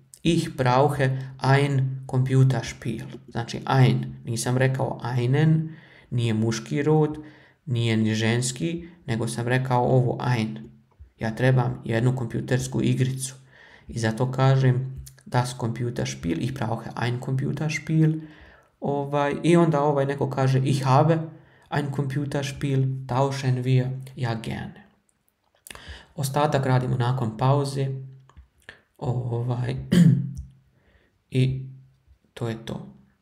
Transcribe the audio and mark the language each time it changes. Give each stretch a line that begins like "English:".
German: Ich brauche ein Computerspiel.
Croatian: Znači ein, nisam rekao einen, nije muški rod, nije ni ženski, nego sam rekao ovo ein. Ja trebam jednu kompjutersku igricu. I zato kažem
German: das Computerspiel, ich brauche ein Computerspiel.
Croatian: Ovaj, i onda ovaj neko kaže
German: ich habe ein Computerspiel, tauschen wir ja gerne.
Croatian: Ostatak radimo nakon pauze. Ovaj, i to je to.